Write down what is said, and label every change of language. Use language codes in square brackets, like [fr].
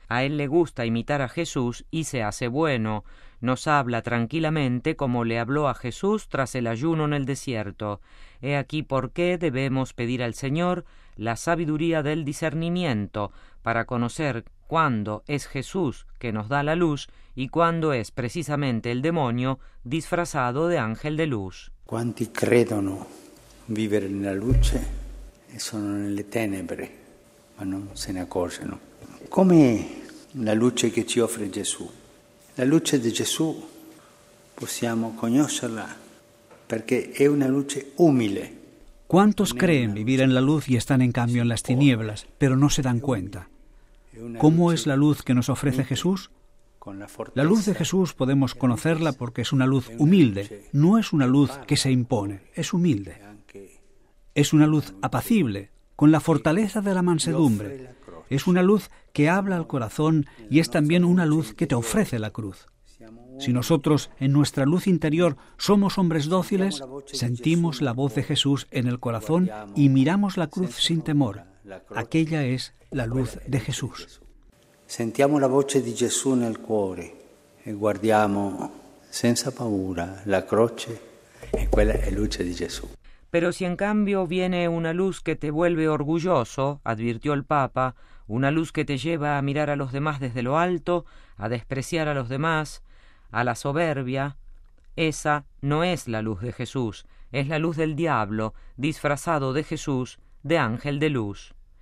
[es] A él le gusta imitar a Jesús y se hace bueno. Nos habla tranquilamente como le habló a Jesús tras el ayuno en el desierto. He aquí por qué debemos pedir al Señor la sabiduría del discernimiento para conocer cuándo es Jesús que nos da la luz y cuándo es precisamente el demonio disfrazado de ángel de luz. ¿Cuántos creen [it] vivere nella luce e sono nelle tenebre, ma non se ne accorgono. Come la luce che ci offre Gesù? La luce di Gesù possiamo conoscerla perché è una luce umile. [es] ¿Cuántos creen vivir en la luz y están en cambio en las tinieblas, pero no se dan cuenta? ¿Cómo es la luz que nos ofrece Jesús? La luz de Jesús podemos conocerla porque es una luz humilde, no es una luz que se impone, es humilde. Es una luz apacible, con la fortaleza de la mansedumbre. Es una luz que habla al corazón y es también una luz que te ofrece la cruz. Si nosotros, en nuestra luz interior, somos hombres dóciles, sentimos la voz de Jesús en el corazón y miramos la cruz sin temor. Aquella es la luz de Jesús. [it] Sentiamo la voce di Gesù nel cuore e guardiamo senza paura la croce, e quella è luce di Gesù. [es] Pero si en cambio viene una luz que te vuelve orgulloso, advirtió el Papa, una luz que te lleva a mirar a los demás desde lo alto, a despreciar a los demás, a la soberbia, esa no es la luz de Jesús, es la luz del diablo, disfrazado de Jesús, de ángel de luz.